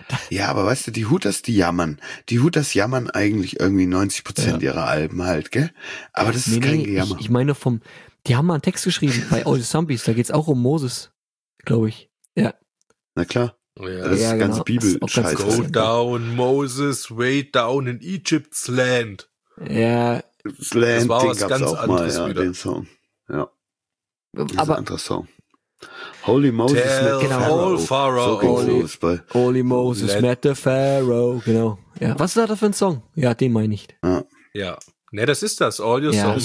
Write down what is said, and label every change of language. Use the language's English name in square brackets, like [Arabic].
[German] Ja, aber weißt du, die Hooters, die jammern. Die Hooters jammern eigentlich irgendwie 90% ihrer Alben halt, gell? Aber das ist kein Gejammer. Ich meine die haben mal einen Text geschrieben bei All the Zombies, da geht's auch um Moses, glaube ich. Ja. Na klar. Ja. Das ist genau. Ganze Bibel-Scheiße. [English] Go down, Moses, way down in Egypt's land. [German] Ja. Das land, war was ganz auch anderes mal, wieder. Den Song. Ja. Das aber, ist ein anderer Song. Holy Moses [English] met the Pharaoh. [German] So ging's los bei [English] Holy Moses met the Pharaoh. [German] Genau. Ja. Was ist da für ein Song? Ja, den meine ich. Ja. Ne, das ist das. All Your Zombies.